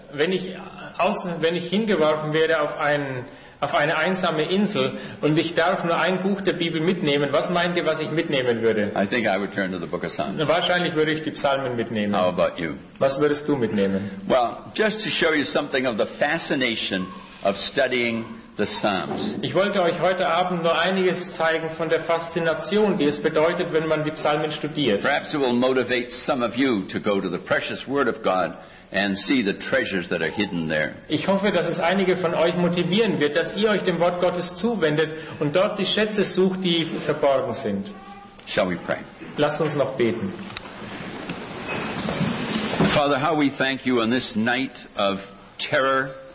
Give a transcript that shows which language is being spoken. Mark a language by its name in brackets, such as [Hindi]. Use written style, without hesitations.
[German] Wenn ich hingeworfen werde auf eine einsame Insel und ich darf nur ein Buch der Bibel mitnehmen, was meint ihr, was ich mitnehmen würde? [English] I think I would turn to the book of Psalms. [German] Wahrscheinlich würde ich die Psalmen mitnehmen. [English] How about you? [German] Was würdest du mitnehmen? [English] Well, just to show you something of the fascination of studying the Psalms. [German] Ich wollte euch heute Abend nur einiges zeigen von der Faszination, die es bedeutet, wenn man die Psalmen studiert. [English] Perhaps it will motivate some of you to go to the precious Word of God and see the treasures that are hidden there. [German] Ich hoffe, dass es einige von euch motivieren wird, dass ihr euch dem Wort Gottes zuwendet und dort die Schätze sucht, die verborgen sind. [English] Shall we pray? [German] Lasst uns noch beten. [English] Father, how we thank you on this night of terror.